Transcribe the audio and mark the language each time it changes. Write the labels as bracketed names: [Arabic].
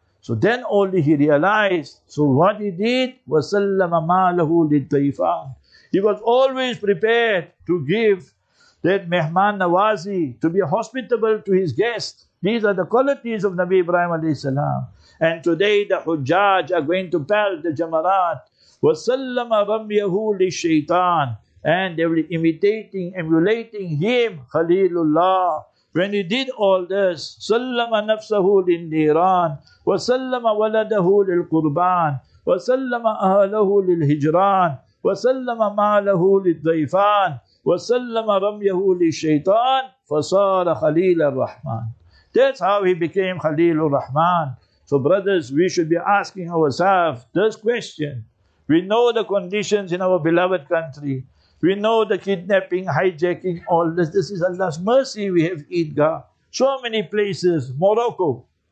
[English] So then only he realized. So what he did, [Arabic] وَسَلَّمَ مَالَهُ لِلْضَيْفَانِ, [English] he was always prepared to give that mehman nawazi, to be hospitable to his guest. These are the qualities of Nabi Ibrahim alayhi salam. And today the hujjaj are going to pelt the jamarat. [Arabic] وَسَلَّمَ رَمْيَهُ لِلشَّيْطَانِ, [English] and they were imitating, emulating him, Khalilullah. [Arabic] When he did all this, سَلَّمَ نَفْسَهُ لِلْنِيرَانِ وَسَلَّمَ وَلَدَهُ لِلْقُرْبَانِ وَسَلَّمَ أَهَلَهُ لِلْهِجْرَانِ وَسَلَّمَ مَالَهُ لِلْضَيْفَانِ وَسَلَّمَ رَمْيَهُ لِلشَّيْطَانِ فَصَارَ خَلِيلَ الرَّحْمَانِ. [English] That's how he became Khalilur Rahman. So brothers, we should be asking ourselves this question. We know the conditions in our beloved country. We know the kidnapping, hijacking, all this. This is Allah's mercy. We have Eidgah. So many places, Morocco.